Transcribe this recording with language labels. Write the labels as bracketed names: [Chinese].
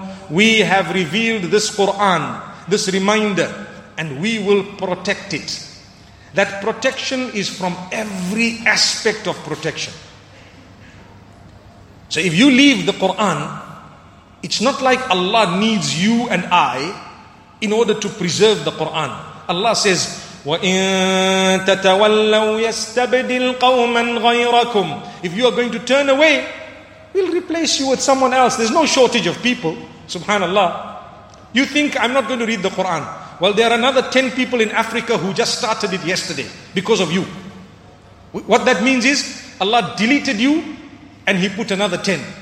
[English] We have revealed this Quran, this reminder, and we will protect it. That protection is from every aspect of protection. So if you leave the Quran, it's not like Allah needs you and I in order to preserve the Quran. Allah says, [Arabic] وَإِن تَتَوَلَّوْا يَسْتَبْدِلْ قَوْمًا غَيْرَكُمْ. [English] If you are going to turn away, we'll replace you with someone else. There's no shortage of people. Subhanallah. You think I'm not going to read the Quran. Well, there are another 10 people in Africa who just started it yesterday because of you. What that means is Allah deleted you and He put another 10.